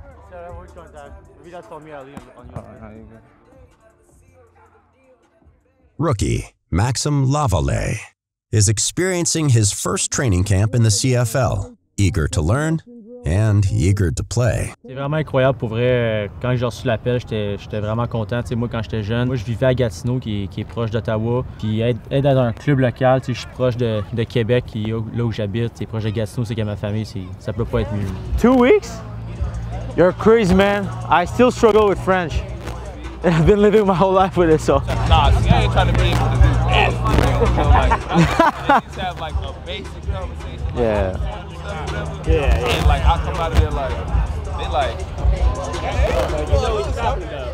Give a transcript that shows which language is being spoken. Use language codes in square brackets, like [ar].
[en] Sir, I worked on that. Maybe that's on me, Ali. Rookie Maxim Lavallee is experiencing his first training camp in the CFL, eager to learn and eager to play. [fr] C'est vraiment incroyable pour vrai. Quand j'ai reçu l'appel, j'étais vraiment content. T'sais, moi, quand j'étais jeune, moi, je vivais à Gatineau, qui est proche d'Ottawa. Puis être dans un club local, je suis proche de Québec, qui, là où j'habite. C'est proche de Gatineau, c'est que ma famille, ça peut pas être mieux. [en] 2 weeks? You're crazy, man. I still struggle with French. And I've been living my whole life with it, so. Nah, see, I ain't trying to bring it to the new ass. Niggas have, like, a basic conversation. Like, yeah. Yeah. And, like, I come out of there, like, they, like, you know what you're talking about.